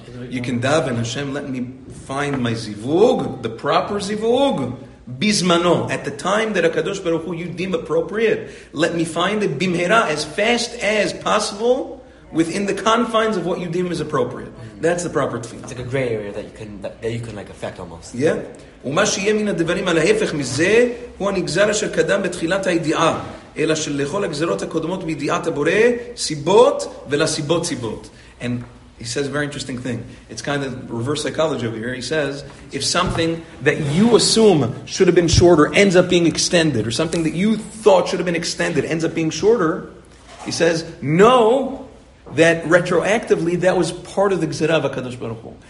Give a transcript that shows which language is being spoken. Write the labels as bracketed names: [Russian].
[English] You can daven, Hashem, let me find my zivug, the proper zivug, bizmano, at the time that HaKadosh Baruch Hu you deem appropriate. Let me find it bimhera, as fast as possible, within the confines of what you deem is appropriate. That's the proper tefillah. It's like a gray area that you can like affect almost. Yeah. [Hebrew] ומה שיהיה מן הדברים על ההפך מזה, הוא הנגזר אשר קדם בתחילת הידיעה, אלא שלכל הגזרות הקודמות בידיעת הבורא, סיבות ולסיבות סיבות. [English] And he says a very interesting thing. It's kind of reverse psychology over here. He says, if something that you assume should have been shorter ends up being extended, or something that you thought should have been extended ends up being shorter, he says, know that retroactively that was part of the gzirah of HaKadosh Baruch Hu.